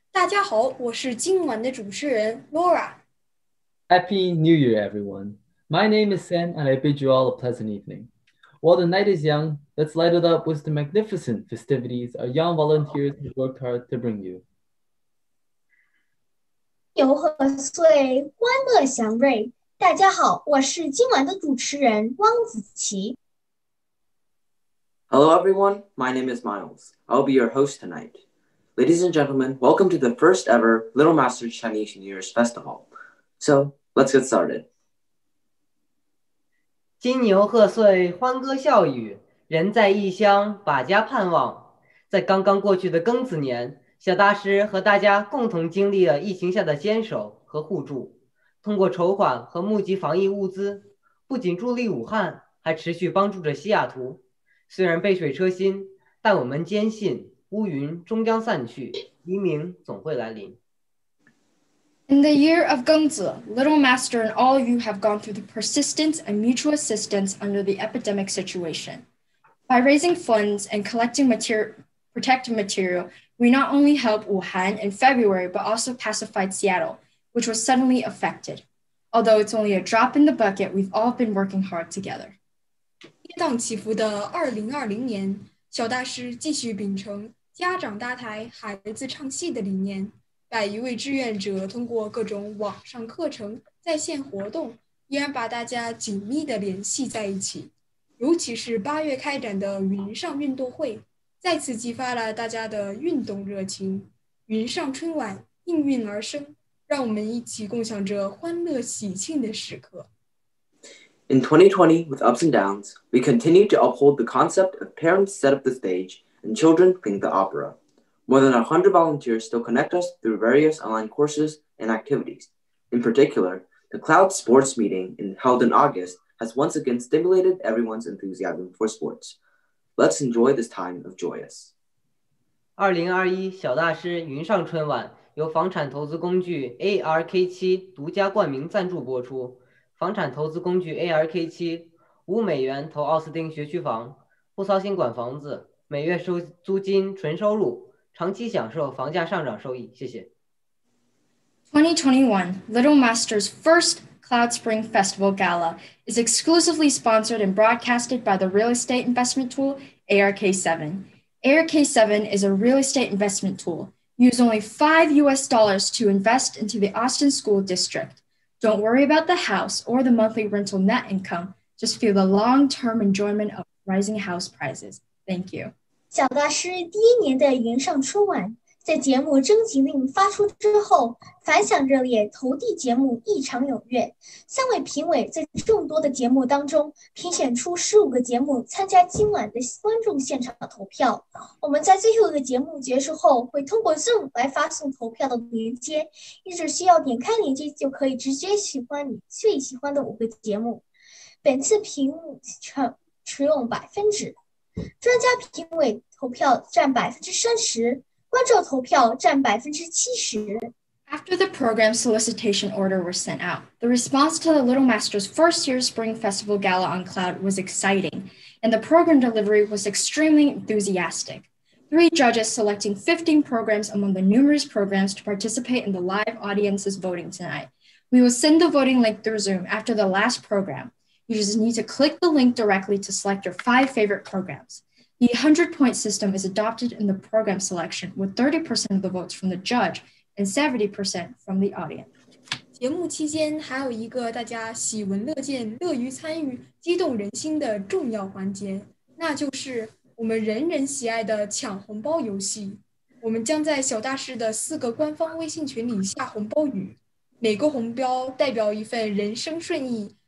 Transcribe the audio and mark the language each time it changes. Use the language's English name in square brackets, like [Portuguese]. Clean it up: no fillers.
[Chinese] 大家好，我是今晚的主持人 Laura。 [English] Happy New Year, everyone. My name is Sam, and I bid you all a pleasant evening. While the night is young, let's light it up with the magnificent festivities our young volunteers have worked hard to bring you. [Chinese] 牛贺岁，欢乐祥瑞。大家好，我是今晚的主持人汪子琪。 [English] Hello everyone, my name is Miles. I'll be your host tonight. Ladies and gentlemen, welcome to the first ever Little Masters Chinese New Year's Festival. So, let's get started. [Chinese] 金牛贺岁，欢歌笑语，人在异乡把家盼望，在刚刚过去的庚子年，小大师和大家共同经历了疫情下的坚守和互助，通过筹款和募集防疫物资，不仅助力武汉，还持续帮助着西雅图。虽然杯水车薪，但我们坚信乌云终将散去，黎明总会来临。 [English] In the year of Gengzi, Little Master and all of you have gone through the persistence and mutual assistance under the epidemic situation. By raising funds and collecting protective material, we not only helped Wuhan in February, but also pacified Seattle, which was suddenly affected. Although it's only a drop in the bucket, we've all been working hard together. [Chinese] 跌宕起伏的2020年，小大师继续秉承家长搭台，孩子唱戏的理念。百余位志愿者通过各种网上课程、在线活动，依然把大家紧密地联系在一起。尤其是八月开展的云上运动会，再次激发了大家的运动热情。云上春晚应运而生，让我们一起共享这欢乐喜庆的时刻。 [English] In 2020, with ups and downs, we continue to uphold the concept of parents set up the stage and children sing the opera. More than 100 volunteers still connect us through various online courses and activities. In particular, the Cloud Sports Meeting held in August has once again stimulated everyone's enthusiasm for sports. Let's enjoy this time of joyous. [Chinese] 2021小大师云上春晚由房产投资工具 ARK7 独家冠名赞助播出。房产投资工具 ARK7, 5美元投奥斯汀学区房，不操心管房子，每月收租金纯收入。长期享受房价上涨收益，谢谢。 [English] 2021 Little Master's first Cloud Spring Festival Gala is exclusively sponsored and broadcasted by the real estate investment tool ARK7. ARK7 is a real estate investment tool. Use only $5 to invest into the Austin School District. Don't worry about the house or the monthly rental net income. Just feel the long-term enjoyment of rising house prices. Thank you. [Chinese] 小大师第一年的云上春晚，在节目征集令发出之后，反响热烈，投递节目异常踊跃。三位评委在众多的节目当中评选出15个节目参加今晚的观众现场投票。我们在最后一个节目结束后，会通过 Zoom 来发送投票的连接，你只需要点开连接就可以直接喜欢你最喜欢的5个节目。本次评选只用百分之。专家评委投票占 30%， 观众投票占 70%。 [English] After the program solicitation order was sent out, the response to the Little Master's first year Spring Festival Gala on Cloud was exciting, and the program delivery was extremely enthusiastic. Three judges selecting 15 programs among the numerous programs to participate in the live audience's voting tonight. We will send the voting link through Zoom after the last program. You just need to click the link directly to select your 5 favorite programs. The 100-point system is adopted in the program selection with 30% of the votes from the judge and 70% from the audience. [Chinese] 节目期间还有一个大家喜闻乐见、乐于参与、激动人心的重要环节，那就是我们人人喜爱的抢红包游戏。我们将在小大师的4个官方微信群里下红包语，每个红包代表一份人生顺意。